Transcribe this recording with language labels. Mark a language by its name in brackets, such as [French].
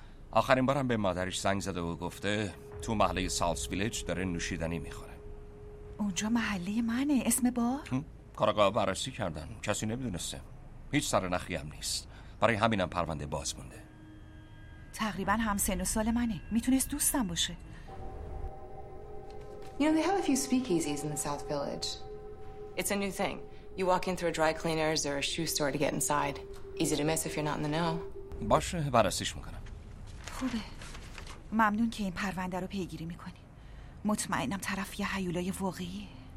[Persian] آخرین بارم به مادرش زنگ زده و گفته تو محله سالس ویلیج داره نوشیدنی میخوره. اونجا محله منه. اسم بار؟ کارگاه بررسی کردن، کسی نمیدونسته. هیچ سرنخی هم نیست، برای همینم پرونده باز مونده. تقریبا هم سن و سال منه، میتونست دوستم باشه. [English] You know they have a few speakeasies in the South Village. It's a new thing. You walk in through a dry cleaners or a shoe store to get inside. Easy to miss if you're not in the know. [Persian] باشه، بررسیش میکنم. خوبه، ممنون که این پرونده رو پیگیری میکنی. مطمئنم طرف یه هیولای واقعیه.